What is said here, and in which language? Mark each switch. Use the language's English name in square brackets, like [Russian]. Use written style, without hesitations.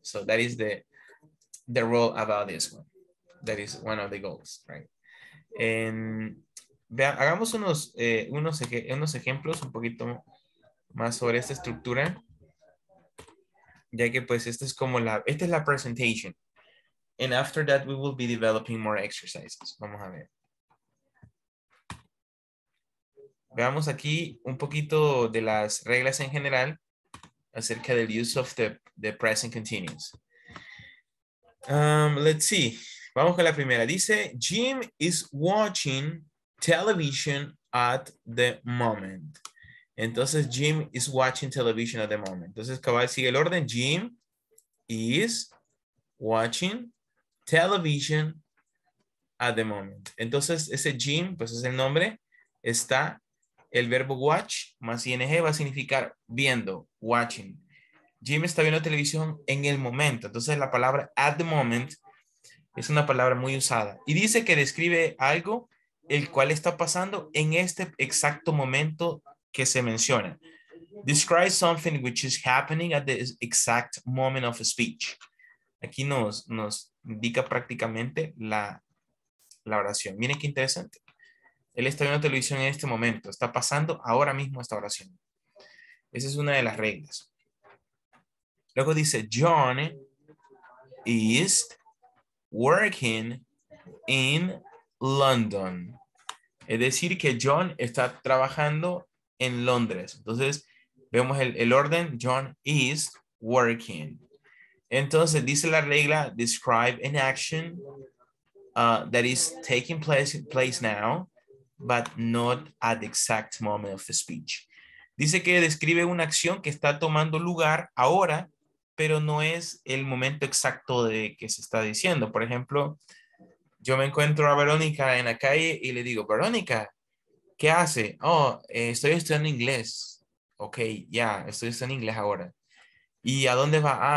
[English] So, that is the rule about this one. That is one of the goals, right? [Spanish] Hagamos unos ejemplos un poquito más sobre esta estructura. Ya que, pues, esta es la presentation. [English] And after that, we will be developing more exercises. [Spanish] Vamos a ver. Veamos aquí un poquito de las reglas en general acerca del [English] use of the present continuous. Let's see. [Spanish] Vamos con la primera. Dice, [English] Jim is watching television at the moment. [Spanish] Entonces, [English] Jim is watching television at the moment. [Spanish] Entonces, cabal sigue el orden. [English] Jim is watching television at the moment. [Spanish] Entonces, ese Jim, pues es el nombre, está el verbo watch más ing va a significar viendo, watching. Jim está viendo televisión en el momento. Entonces, la palabra [English] at the moment [Spanish] es una palabra muy usada. Y dice que describe algo el cual está pasando en este exacto momento que se menciona. [English] Describe something which is happening at the exact moment of speech. [Spanish] Aquí nos indica prácticamente la oración. Miren qué interesante. Él está viendo televisión en este momento. Está pasando ahora mismo esta oración. Esa es una de las reglas. Luego dice, [English] John is working in London. [Spanish] Es decir, que John está trabajando en Londres. Entonces, vemos el orden. [English] John is working. [Spanish] Entonces, dice la regla, [English] describe an action that is taking place now, but not at the exact moment of the speech. [Spanish] Dice que describe una acción que está tomando lugar ahora, pero no es el momento exacto de que se está diciendo. Por ejemplo, yo me encuentro a Verónica en la calle y le digo, Verónica, ¿qué hace? Oh, estoy estudiando inglés. Ok, ya, estoy estudiando inglés ahora. ¿Y a dónde va?